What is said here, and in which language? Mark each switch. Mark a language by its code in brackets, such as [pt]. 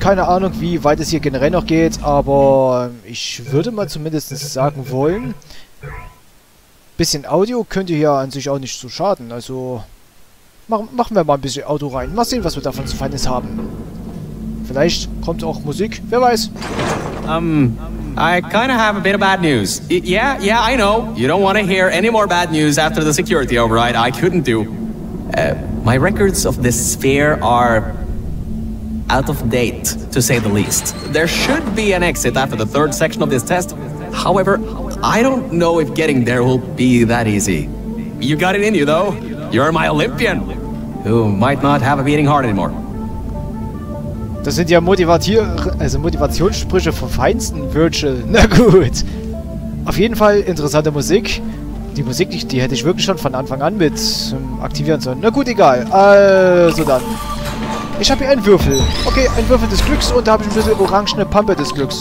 [de] Keine Ahnung, wie weit es hier generell noch geht, aber ich würde mal zumindest sagen wollen, bisschen Audio könnte hier an sich auch nicht so schaden. Also machen wir mal ein bisschen Audio rein. Mal sehen, was wir davon zu Feines haben. Vielleicht kommt auch Musik, wer weiß. [en] I kind of have a bit of bad news. Yeah, I know. You don't want to hear any more bad news after the security override. I couldn't do. My records of this sphere are out of date, to say the least. There should be an exit after the third section of this test. However, I don't know if getting there will be that easy. You got it in you, though. You're my Olympian, who might not have a beating heart anymore. [de] Das sind ja Motivationssprüche vom feinsten Virgil. Na gut. Auf jeden Fall interessante Musik. Die Musik, die hätte ich wirklich schon von Anfang an mit aktivieren sollen. Na gut, egal. Also dann. Ich habe hier einen Würfel. Okay, ein Würfel des Glücks und da habe ich ein bisschen orangene Pampe des Glücks.